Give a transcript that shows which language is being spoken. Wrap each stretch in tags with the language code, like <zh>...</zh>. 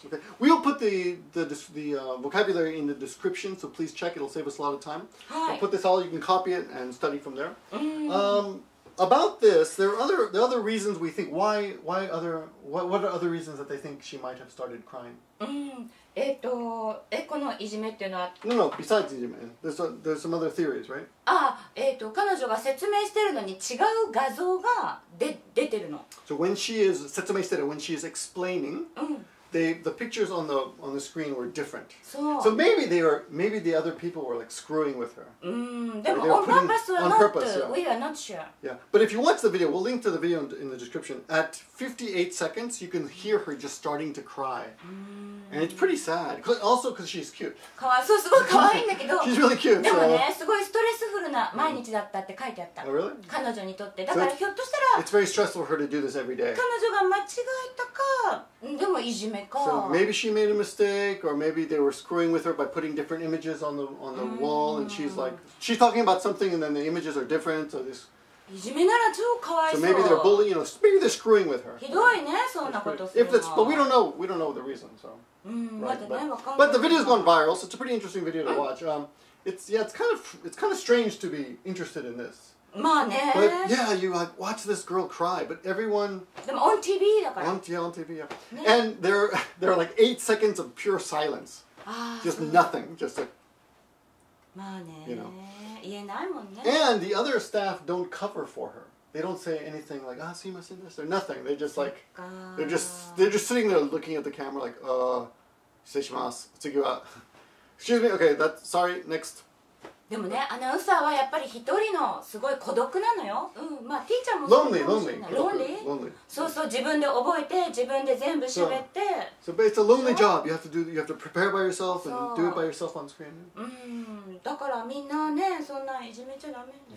<en>Okay. We'll put the vocabulary in the description, so please check, it'll save us a lot of time.</en> <ja>はい。</ja> <en>We'll put this all, you can copy it and study from there.、 Mm-hmm. About this, there are other reasons we think, what are other reasons that they think she might have started crying?</en> <ja>このいじめっていうのは…</ja> <en>No, no, besides いじめ.There's some other theories, right?</en> <ja>ああ、彼女が説明してるのに違う画像が出てるの。</ja> <en>So when she is,</en> <ja>説明してる、</ja> <en>when she is explaining,、うん、 the pictures on the screen were different.</en> <ja>そう。</ja> <en>So maybe the other people were like screwing with her.</en> <ja>でも、</ja> <en>on purpose, yeah. We are not sure. Yeah, but if you watch the video, we'll link to the video in the description. At 58 seconds, you can hear her just starting to cry. And it's pretty sad. Also, because she's cute.</en> <ja>かわいそう、すごいかわいいんだけど。</ja> <en>She's really cute.</en> <ja>でもね、すごいストレスフルな毎日だったって書いてあった。</ja> <en>Oh, really?</en> <ja>彼女にとって。だからひょっとしたら、</ja> <en>It's very stressful for her to do this every day.</en> <ja>彼女が間違えたか、でもいじめか。</ja> <en>So maybe she made a mistake, or maybe they were screwing with her by putting different images on the wall, and she's like, she's talking about something, and then the images are different, so this.</en> <ja>いじめなら超かわいそう。</ja> <en>So maybe they're bullying, you know, maybe they're screwing with her.</en> <ja>ひどいね、そんなことするの。</ja> <en>If that's, but we don't know the reason, so. But the video's gone viral, so it's a pretty interesting video to watch. It's kind of strange to be interested in this.</en> <ja>まあね、</ja> <en>but yeah, you like watch this girl cry, but everyone.</en> <ja>でも</ja> <en>on TV</en> <ja>だから。</ja> <en>On TV, yeah.、</en> <ja>ね、</ja> <en>And there are like 8 seconds of pure silence. Just nothing, just like.</en> <ja>まあね。</ja> <en>You know.</en> <ja>言えないもんね。</ja> <en>And the other staff don't cover for her. They don't say anything like ah, see my sinus. They're nothing. They just like they're just sitting there looking at the camera like shishimasu, tsugiwa. Excuse me. Okay, that's sorry. Next.</en> <ja>でもね、アナウンサーはやっぱり一人のすごい孤独なのよ。うん、まあティーチャーもそうかもしれない</ja> <en>。 Lonely, lonely. Lonely?</en> <ja>そうそう、自分で覚えて、自分で全部喋って。</ja> <en>So, but it's a lonely job. You have to prepare by yourself and do it by yourself on screen.</en> <ja>うん、だからみんなね、そんないじめちゃダメ。</ja>